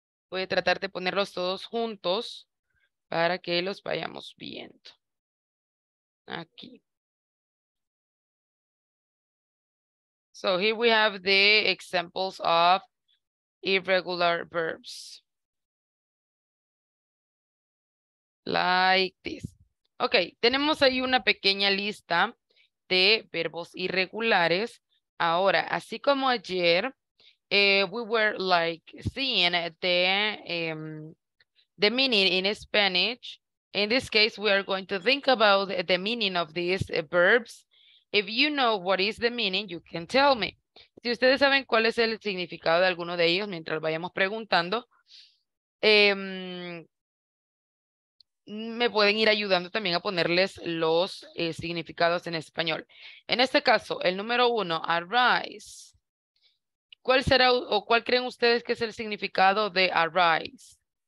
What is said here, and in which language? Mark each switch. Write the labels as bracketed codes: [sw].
[es] Voy a tratar de ponerlos todos juntos para que los vayamos viendo. Aquí. [en] So here we have the examples of irregular verbs. Like this. [es] Okay, tenemos ahí una pequeña lista de verbos irregulares. Ahora, así como ayer, [en] we were like seeing the meaning in Spanish. In this case, we are going to think about the meaning of these verbs. If you know what is the meaning, you can tell me. [es] Si ustedes saben cuál es el significado de alguno de ellos, mientras vayamos preguntando, me pueden ir ayudando también a ponerles los significados en español. En este caso, el número uno, arise. ¿Cuál será o cuál creen ustedes que es el significado de arise?